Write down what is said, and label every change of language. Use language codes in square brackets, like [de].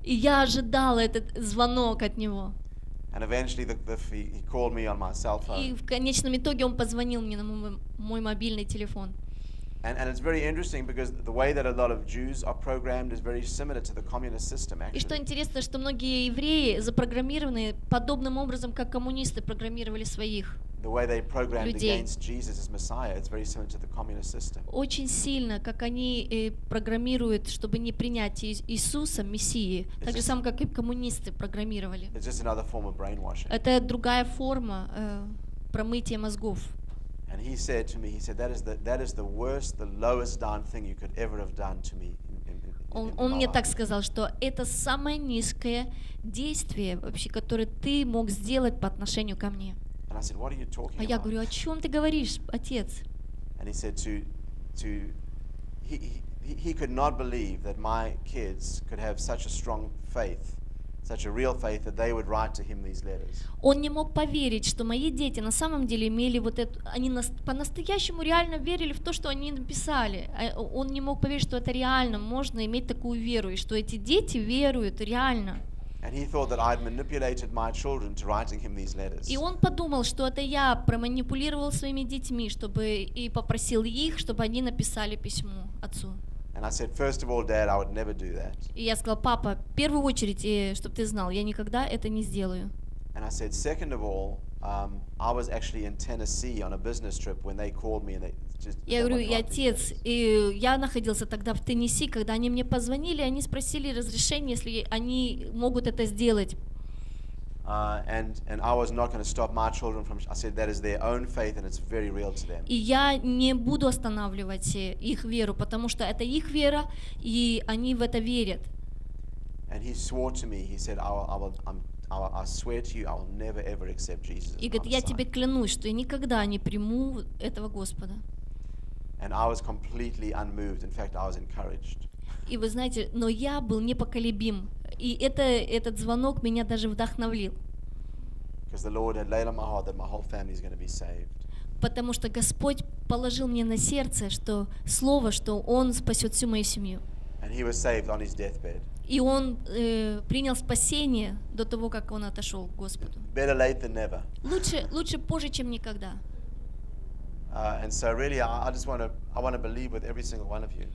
[ru] И я ожидал этот звонок от него. [en] And eventually he called me on my cell phone. [ru] И в конечном итоге он позвонил мне на мой мобильный телефон. [en] And it's very interesting because the way that a lot of Jews are programmed is very similar to the communist system actually. [ru] И что интересно, что многие евреи запрограммированы подобным образом, как коммунисты программировали своих. [en] The way they programmed against Jesus as Messiah, it's very similar to the communist system. [ru] Очень сильно, как они программируют, чтобы не принять Иисуса, Мессии, так же самое, как и коммунисты программировали. [en] It's just another form of brainwashing. [ru] Это другая форма промытия мозгов. [en] And he said to me, he said, that is the worst, the lowest down thing you could ever have done to me. [ru] Он мне так сказал, что это самое низкое действие вообще, которое ты мог сделать по отношению ко мне. [en] And I said, what are you talking about? [ru] А я говорю, о чем ты говоришь, отец? [en] And he said he could not believe that my kids could have such a strong faith, such a real faith that they would write to him these letters. [ru] Он не мог поверить, что мои дети на самом деле имели вот это, они по-настоящему реально верили в то, что они написали. Он не мог поверить, что это реально, можно иметь такую веру, и что эти дети веруют реально. [en] And he thought that I'd manipulated my children to writing him these letters. [ru] И он подумал, что это я проманипулировал своими детьми, чтобы и попросил их, чтобы они написали письмо отцу. [en] And I said, first of all, Dad, I would never do that. [ru] И я сказал, папа, в первую очередь, чтобы ты знал, я никогда это не сделаю. [en] And I said, second of all, I was actually in Tennessee on a business trip when they called me and they just. [ru] Я говорю, и отец, и я находился тогда в Теннесси, когда они мне позвонили, они спросили разрешение, если они могут это сделать. [en] And I was not going to stop my children from. I said that is their own faith and it's very real to them. [ru] И я не буду останавливать их веру, потому что это их вера и они в это верят. [en] And he swore to me. He said, I swear to you, I will never ever accept Jesus. [ru] И говорит, я тебе клянусь, что я никогда не приму этого Господа. [en] And I was completely unmoved. In fact, I was encouraged. [ru] И вы знаете, но я был непоколебим. И этот звонок меня даже вдохновил. [en] Because the Lord had laid on my heart that my whole family is going to be saved. [ru] Потому что Господь положил мне на сердце, что слово, что Он спасет всю мою семью. [en] And he was saved on his deathbed. [ru] И он принял спасение до того, как он отошел к Господу. [en] Better late than never. [ru] Лучше позже, чем никогда. [en] And so really, I want to believe with every single one of you.